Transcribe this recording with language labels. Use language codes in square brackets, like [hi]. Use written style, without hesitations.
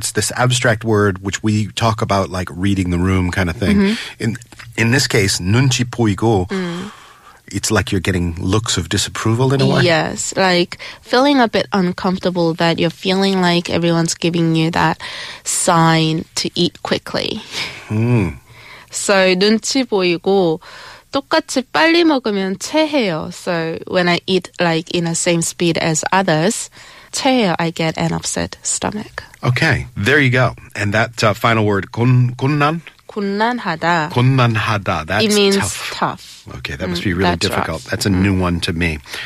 [en] It's this abstract word which we talk about like reading the room kind of thing. In this case, 눈치 보이고, it's like you're getting looks of disapproval in a way. Yes, like feeling a bit uncomfortable that you're feeling like everyone's giving you that sign to eat quickly. [ko] So 눈치 보이고 똑같이 빨리 먹으면 체해요. [en] So when I eat like in the same speed as others, 체해요, I get an upset stomach. Okay, there you go. And that final word, 곤란? [ko] 곤란하다. 곤란하다. That's [en] it means tough. Okay, that must be really that's difficult. Rough. That's a new one to me.